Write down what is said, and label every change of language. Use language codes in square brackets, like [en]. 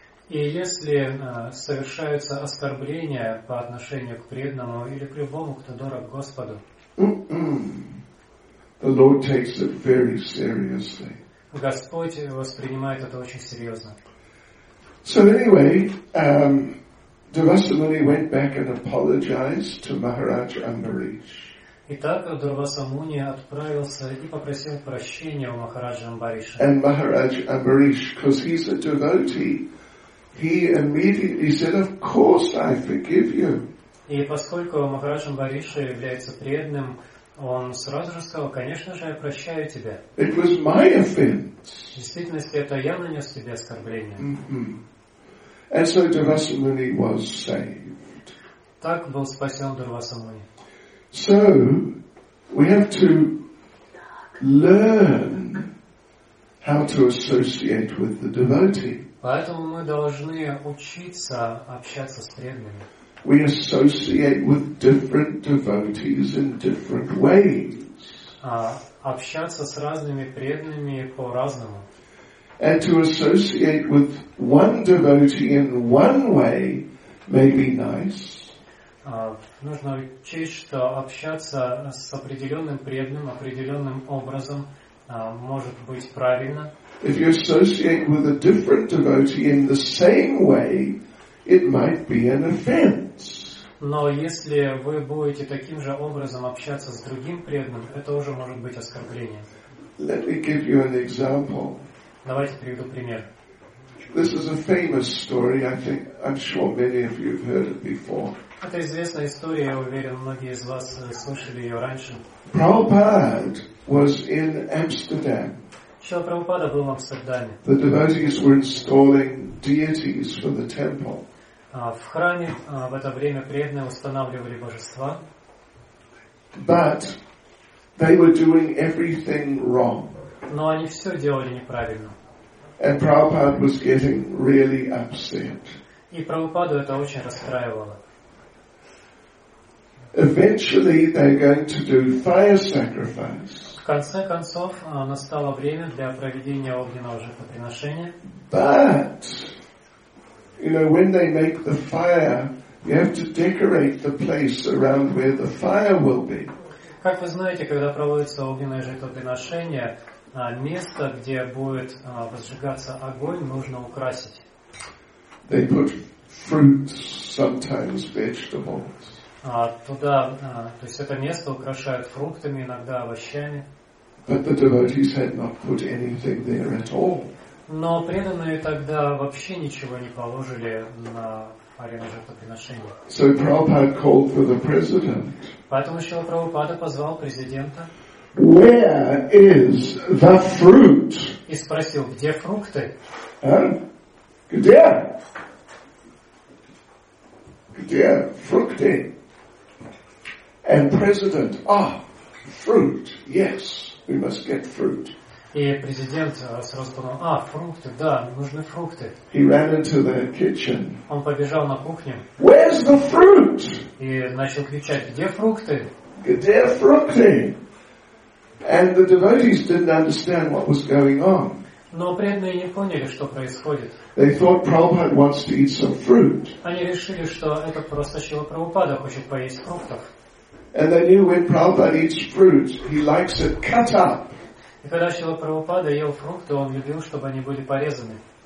[ru] И если совершаются оскорбления по отношению к преданному или к любому, кто дорог Господу. [en] The Lord takes it very seriously. [ru] Господь воспринимает это очень серьезно. [en] So anyway, Durvasamuni went back and apologized to Maharaj Ambarish. [ru] Итак, Дурвасамуни отправился и попросил прощения у Махараджа Амбариша. [en] And Maharaj Ambarish, because he's a devotee, he immediately said, "Of course, I forgive you." [ru] И поскольку Махарадж Амбариша является преданным, он сразу же сказал: "Конечно же, я прощаю тебя." [en] It was my offense. [ru] В действительности, это я нанес тебе оскорбление. [en] And so Durvasamuni was saved. [ru] Так был спасен Дурвасамуни. [en] So we have to learn how to associate with the devotee. [ru] Поэтому мы должны учиться общаться с преданными. [en] We associate with different devotees in different ways. [ru] Общаться с разными преданными по-разному. [en] And to associate with one devotee in one way may be nice. [ru] Нужно учесть, что общаться с определенным преданным определенным образом может быть правильно. [en] If you associate with a different devotee in the same way, it might be an offense. [ru] Но если вы будете таким же образом общаться с другим преданным, это уже может быть оскорблением. [en] Let me give you an example. [ru] Давайте приведу пример. [en] This is a famous story. I think I'm sure many of you have heard it before. [ru] Это известная история, я уверен, многие из вас слышали ее раньше. [en] Prabhupada was in Amsterdam. [ru] Шрила Прабхупада был в Амстердаме. [en] The devotees were installing deities for the temple. [ru] В храме в это время преданные устанавливали божества. [en] But they were doing everything wrong. [ru] Но они все делали неправильно. [en] And Prabhupada was getting really upset. [ru] И Прабхупаду это очень расстраивало. [en] Eventually they're going to do fire sacrifice. [ru] В конце концов, настало время для проведения огненного жертвоприношения. [en] But, you know, when they make the fire, you have to decorate the place around where the fire will be. [ru] Как вы знаете, когда проводится огненное жертвоприношение, место, где будет возжигаться огонь, нужно украсить. [en] They put fruits, sometimes vegetables. [ru] Туда, то есть это место украшают фруктами, иногда овощами. [en] But the devotees had not put anything there at all. [ru] Но преданные тогда вообще ничего не положили на арену жертвоприношения. [en] So Prabhupada called for the president. [ru] Поэтому Шрила Прабхупада позвал президента. [en] Where is the fruit? [ru] И спросил, где фрукты? Где? Где фрукты? [en] And president, fruit, yes, we must get fruit. [ru] И президент сразу подумал, фрукты, да, нужны фрукты. [en] He ran into the kitchen. [ru] Он побежал на кухню. [en] Where's the fruit? [ru] И начал кричать, где фрукты? Где фрукты? [en] And the devotees didn't understand what was going on. [ru] Но преданные не поняли, что происходит. [en] They thought Prabhupada wants to eat some fruit. [ru] Они решили, что это просто Шрила Прабхупада хочет поесть фруктов. [en] And they knew when Prabhupada eats fruit, he likes it cut up. [ru] И когда Шрила Прабхупада ел фрукты, он любил, чтобы они были порезаны.